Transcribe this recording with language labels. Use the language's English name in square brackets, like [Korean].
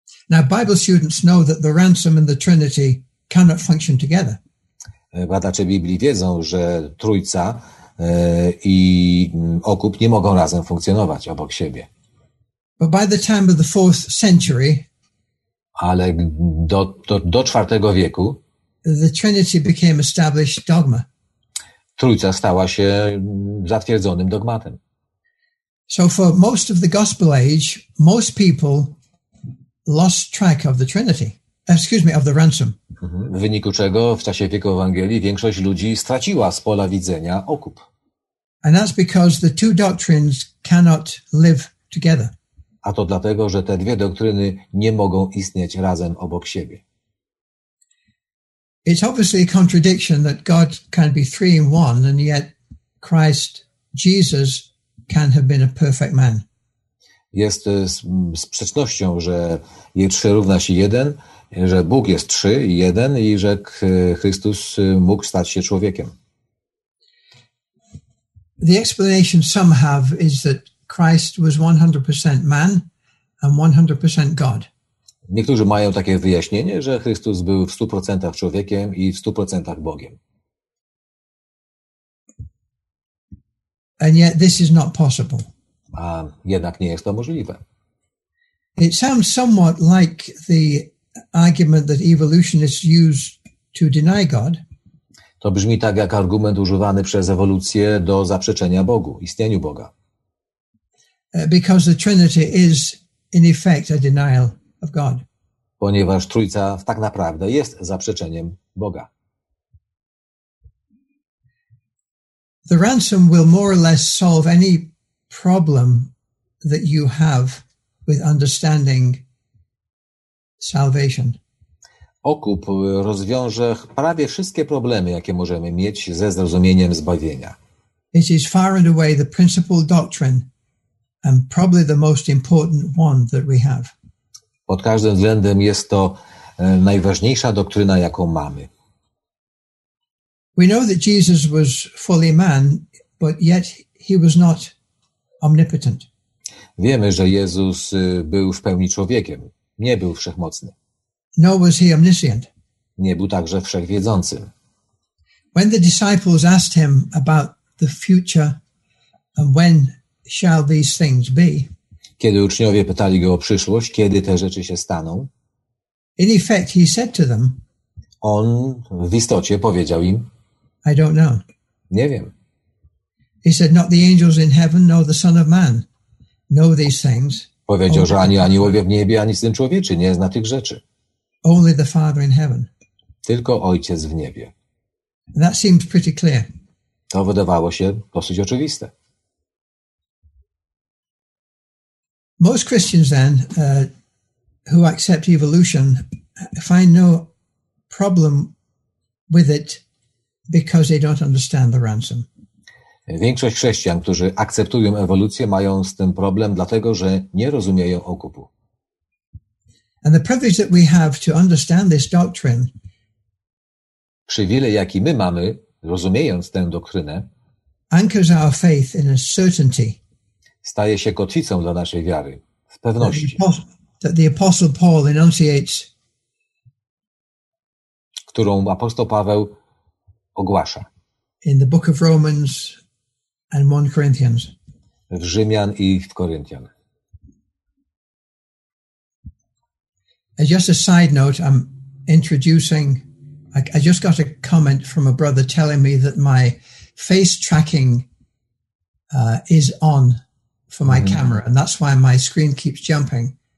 [English] Now Bible students know that the ransom and the Trinity cannot function together. [Polish] Badacze Biblii wiedzą, że Trójca i okup nie mogą razem funkcjonować obok siebie. [English] But by the time of the fourth century, [Polish] ale do IV wieku [English] the Trinity became established dogma. [Polish] Trójca stała się zatwierdzonym dogmatem. [English] So for most of the Gospel Age, most people lost track of the Trinity. Excuse me, of the ransom. [Polish] W wyniku czego w czasie wieku Ewangelii większość ludzi straciła z pola widzenia okup. [English] And that's because the two doctrines cannot live together. [Polish] A to dlatego, że te dwie doktryny nie mogą istnieć razem obok siebie. [English] It's obviously a contradiction that God can be three in one and yet Christ Jesus can have been a perfect man. [Polish] Jest sprzecznością, że je trzy równa się jeden, że Bóg jest trzy i jeden i że Chrystus mógł stać się człowiekiem. [English] The explanation some have is that Christ was 100% man and 100% God. [Polish] Niektórzy mają takie wyjaśnienie, że Chrystus był w 100% człowiekiem i w 100% Bogiem. [English] And yet this is not possible. [Polish] A jednak nie jest to możliwe. [English] It sounds somewhat like the argument that evolutionists use to deny God. [Polish] To brzmi tak jak argument używany przez ewolucję do zaprzeczenia Bogu, istnieniu Boga. [English] Because the Trinity is in effect a denial of God. [Polish] Ponieważ Trójca tak naprawdę jest zaprzeczeniem Boga. [English] The ransom will more or less solve any problem that you have with understanding salvation. [Polish] Okup rozwiąże prawie wszystkie problemy, jakie możemy mieć ze zrozumieniem zbawienia. [English] It is far and away the principal doctrine and probably the most important one that we have. [Polish] Pod każdym względem jest to najważniejsza doktryna, jaką mamy. [English] We know that Jesus was fully man, but yet he was not omnipotent. [Polish] Wiemy, że Jezus był w pełni człowiekiem, nie był wszechmocny. [English] Nor was he omniscient. [Polish] Nie był także wszechwiedzącym. [English] When the disciples asked him about the future and when shall these things be? [Polish] Kiedy uczniowie pytali go o przyszłość, kiedy te rzeczy się staną? [English] In effect, he said to them. [Polish] On w istocie powiedział im. [English] I don't know. [Polish] Nie wiem. [English] He said, not the angels in heaven, nor the Son of Man know these things. [Polish] Powiedział, że ani aniołowie w niebie, ani Syn Człowieczy nie zna tych rzeczy. [English] Only the Father in heaven. [Polish] Tylko Ojciec w niebie. [English] That seems pretty clear. [Polish] To wydawało się dosyć oczywiste. [English] Most Christians then, who accept evolution, find no problem with it because they don't understand the ransom. [Polish] Większość chrześcijan, którzy akceptują ewolucję, mają z tym problem, dlatego że nie rozumieją okupu. [English] And the privilege that we have to understand this doctrine, [Polish] przywilej, jaki my mamy, rozumiejąc tę doktrynę, [English] anchors our faith in a certainty, [Polish] staje się kotwicą dla naszej wiary, w pewności, [English] that the Apostle Paul enunciates, [Polish] którą apostoł Paweł ogłasza [English] in the book of Romans and 1 Corinthians. [Polish] W Rzymian i w Koryntian. [English] Just a side note, I'm introducing, I just got a comment from a brother telling me that my face tracking is on for my camera, and that's why my screen keeps jumping.